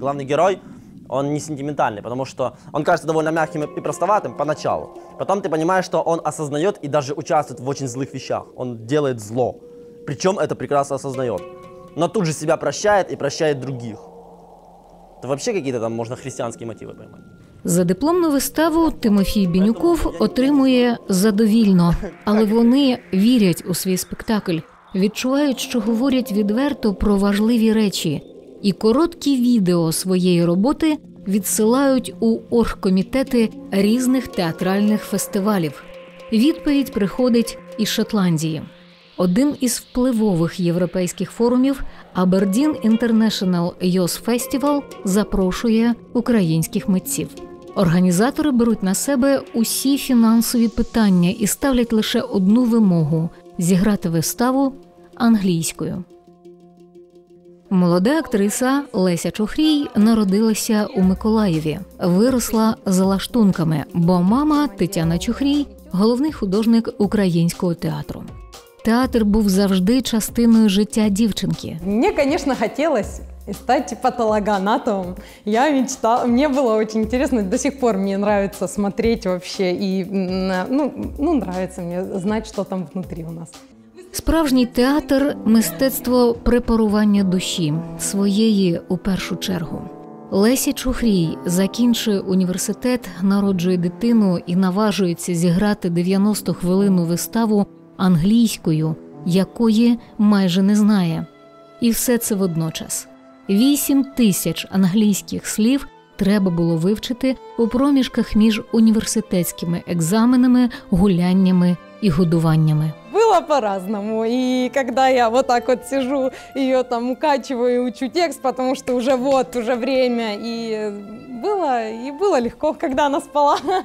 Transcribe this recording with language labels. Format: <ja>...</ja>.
<ru>Главный герой, он не сентиментальный, потому что он кажется довольно мягким и простоватым поначалу. Потом ты понимаешь, что он осознает и даже участвует в очень злых вещах. Он делает зло. Причем это прекрасно осознает. Но тут же себя прощает и прощает других. Это вообще какие-то там можно христианские мотивы поймать.</ru> <uk>За дипломну виставу Тимофій Бінюков отримує задовільно. Але вони вірять у свій спектакль. Відчувають, що говорять відверто про важливі речі. І короткі відео своєї роботи відсилають у оргкомітети різних театральних фестивалів. Відповідь приходить із Шотландії. Один із впливових європейських форумів Aberdeen International Youth Festival запрошує українських митців. Організатори беруть на себе усі фінансові питання і ставлять лише одну вимогу – зіграти виставу англійською. Молода актриса Леся Чохрій народилася у Миколаєві. Виросла за лаштунками, бо мама Тетяна Чохрій – головний художник українського театру. Театр був завжди частиною життя дівчинки. Мені, звісно, хотілося стать патологоанатомом.</uk> <ru>Я мечтала, мне было очень интересно, до сих пор мне нравится смотреть вообще, и, ну, нравится мне знать, что там внутри у нас.</ru> <uk>Справжній театр – мистецтво препарування душі, своєї у першу чергу. Лесі Чухрій закінчує університет, народжує дитину і наважується зіграти 90 хвилин виставу англійською, якої майже не знає. І все це водночас. 8000 англійських слів треба було вивчити у проміжках між університетськими екзаменами, гуляннями і годуваннями.</uk> <ru>Было по-разному. И когда я вот так вот сижу, ее там укачиваю, учу текст, потому что уже вот, уже время. И было легко, когда она спала.</ru>